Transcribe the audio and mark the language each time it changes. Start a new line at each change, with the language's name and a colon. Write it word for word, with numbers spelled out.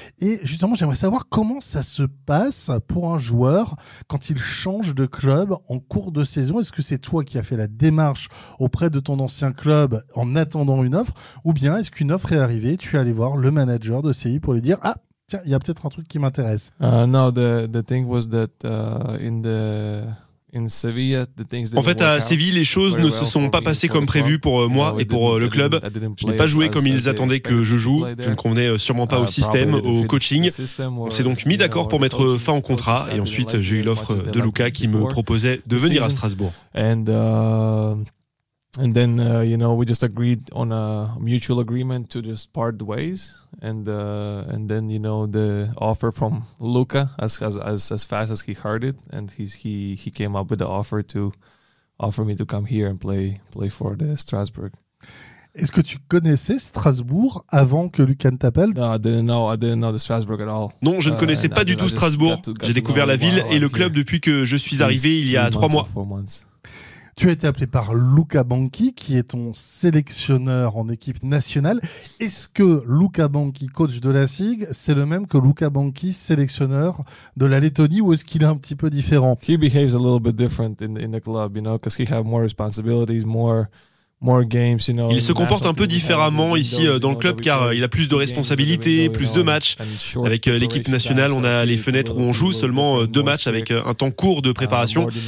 French: Et justement, j'aimerais savoir comment ça se passe pour un joueur quand il change de club en cours de saison. Est-ce que c'est toi qui as fait la démarche auprès de ton ancien club en attendant une offre? Ou bien est-ce qu'une offre est arrivée? Tu es allé voir le manager de C I pour lui dire « Ah, tiens, il y a peut-être un truc qui m'intéresse. »
English: Uh, no, the, the thing was that uh, in the... In Sevilla, the things
French: en fait, à Séville, les choses ne se sont pas passées comme prévu pour moi et pour le club. Je n'ai pas joué comme ils attendaient que je joue. Je ne convenais sûrement pas au système, au coaching. On s'est donc mis d'accord pour mettre fin au contrat. Et ensuite, j'ai eu l'offre de Luca qui me proposait de venir à Strasbourg.
English: And, uh, and then uh, you know we just agreed on a mutual agreement to just part ways and uh, and then you know the offer from Luca as as as, as fast as he heard it and he's, he he came up with the offer to offer me to come here and play play for the Strasbourg.
French: Est-ce que tu connaissais Strasbourg avant que Lucan t'appelle?
English: No, I didn't know, I didn't know the Strasbourg at all.
French: Non, je ne connaissais uh, pas du tout Strasbourg. J'ai découvert la ville et le club depuis que je suis arrivé il y a trois mois. Tu as été appelé par Luca Banchi, qui est ton sélectionneur en équipe nationale. Est-ce que Luca Banchi, coach de la S I G, c'est le même que Luca Banchi, sélectionneur de la Lettonie, ou est-ce qu'il est un petit peu différent?
English: He behaves a little bit different in, in the club, you know, because he has more responsibilities, more.
French: Il se comporte un peu différemment ici dans le club car il a plus de responsabilités, plus de matchs. Avec l'équipe nationale, on a les fenêtres où on joue seulement deux matchs avec un temps court de préparation.